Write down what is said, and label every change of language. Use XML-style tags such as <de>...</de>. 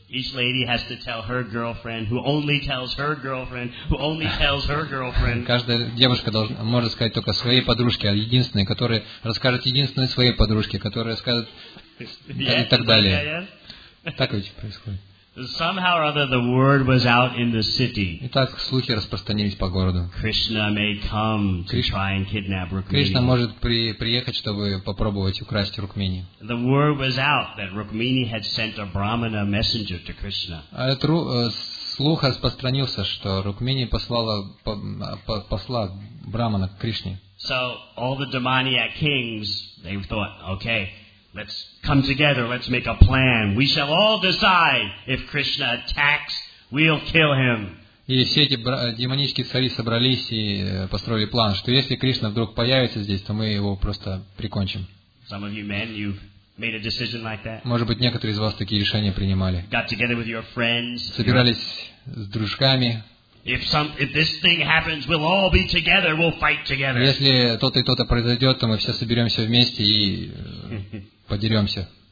<en>Each lady has to tell her girlfriend, who only tells her girlfriend, who only tells her girlfriend.</en> <ru>Каждая девушка должна может сказать только своей подружке, а единственной, которая расскажет единственной своей подружке, которая скажет и так далее. Так ведь происходит.</ru> <en>Somehow or other, the word was out in the city.</en> <ru>Итак, слухи распространились по городу.</ru> <en>Krishna may come to try and kidnap Rukmini.</en> <ru>Кришна может приехать, чтобы попробовать украсть Рукмини.</ru> <en>The word was out that Rukmini had sent a brahmana messenger to Krishna.</en> <ru>Слух распространился, что Рукмини послала посла брамана к Кришне.</ru> <en>So all the demoniac kings, they thought, okay. Let's come together, let's make a plan. We shall all decide if Krishna attacks, we'll kill him.</en> <ru>И все эти демонические цари собрались и построили план, что если Кришна вдруг появится здесь, то мы его просто прикончим.</ru> <en>Some of you men, you've made a decision like that.</en> <ru>Может быть, некоторые из вас такие решения принимали.</ru> <en>Got together with your friends.</en> <ru>Собирались с дружками.</ru> <en>If this thing happens, we'll all be together. We'll fight together.</en> <ru>Если то-то и то-то произойдет, то мы все соберемся вместе и подеремся.</ru>